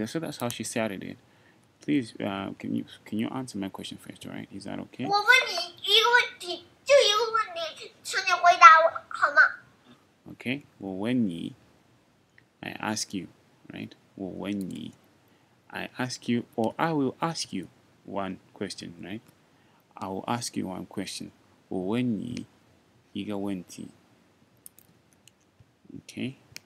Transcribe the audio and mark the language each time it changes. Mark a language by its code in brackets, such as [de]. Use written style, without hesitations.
[en] So that's how she started it. Please, can you answer my question first? All right. Is that okay? [zh] 我问你一个问题，就一个问题，请你回答我好吗 [en] ？Okay. [zh] 我问你。 [en] I ask you, right? [zh] 我问你 [en] I ask you, or I will ask you one question, right? I will ask you one question. [zh] 我问你一个问题 Okay.